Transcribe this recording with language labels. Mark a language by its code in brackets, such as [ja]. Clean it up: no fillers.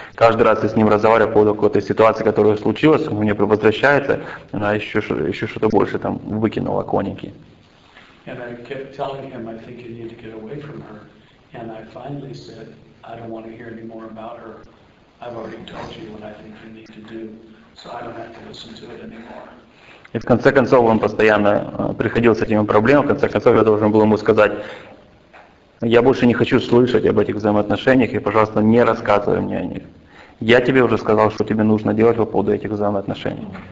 [ru] Каждый раз я с ним разговариваю по поводу какой-то ситуации, которая случилась, он мне возвращается, она еще что-то больше там выкинула коники. [en] And I kept telling him, I think you need to get away from her. And I finally said, I don't want to hear any more about her. I've already told you what I think you need to do, so I don't have to listen to it anymore. [ru] И в конце концов он постоянно приходил с этими проблемами. В конце концов я должен был ему сказать, я больше не хочу слышать об этих взаимоотношениях, и, пожалуйста, не рассказывай мне о них. Я тебе уже сказал, что тебе нужно делать по поводу этих взаимоотношений.